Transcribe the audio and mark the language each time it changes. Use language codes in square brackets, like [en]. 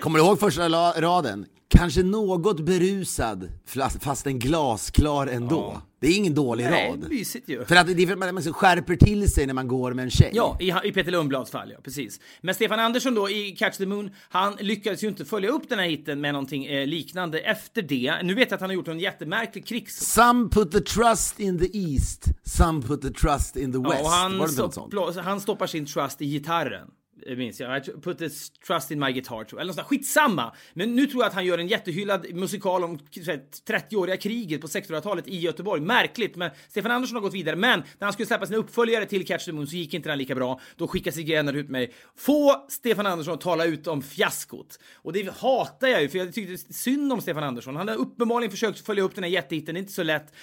[sv] Kommer du ihåg första raden? Kanske något berusad, fast en glasklar ändå. Ja. Det är ingen dålig nej, rad. Nej, mysigt ju. För att det är för att man skärper till sig när man går med en tjej. Ja, i Peter Lundblads fall, ja, precis. Men Stefan Andersson då i Catch the Moon, han lyckades ju inte följa upp den här hitten med någonting liknande efter det. Nu vet jag att han har gjort en jättemärklig krigs... [en] Some put the trust in the east, some put the trust in the west. [sv] Ja, och han stoppar sin trust i gitarren. Minns jag. [en] I put this trust in my guitar. [sv] Eller något sånt där. Skitsamma. Men nu tror jag att han gör en jättehyllad musikal om 30-åriga kriget på 1600-talet i Göteborg. Märkligt, men Stefan Andersson har gått vidare. Men när han skulle släppa sin uppföljare till Catch the Moon så gick inte den lika bra. Då skickade sig Gener ut mig. Få Stefan Andersson att tala ut om fiaskot. Och det hatar jag ju, för jag tyckte synd om Stefan Andersson. Han har uppenbarligen försökt följa upp den här jättehitten. Det är inte så lätt.